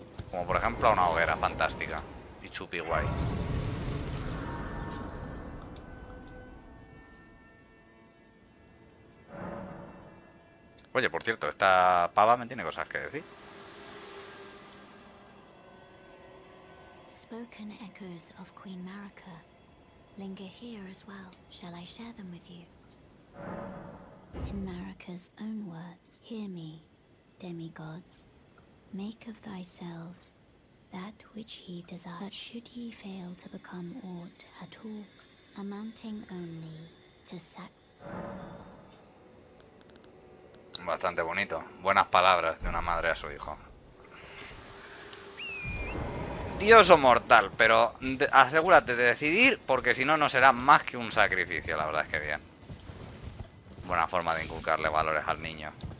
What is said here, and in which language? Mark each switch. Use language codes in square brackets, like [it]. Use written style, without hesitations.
[es] Como por ejemplo a una hoguera fantástica. Y chupi guay. Oye, por cierto, esta pava me tiene cosas que decir. [en] Spoken echoes of Queen Marika linger here as well. Shall I share them with you? In Marika's own words, hear me, demigods. Make of thyselves that which he desires. But should ye fail to become aught at all, amounting only to sac. [es] Bastante bonito. Buenas palabras de una madre a su hijo. Dios o mortal, pero asegúrate de decidir, porque si no, no será más que un sacrificio. La verdad es que bien. Buena forma de inculcarle valores al niño.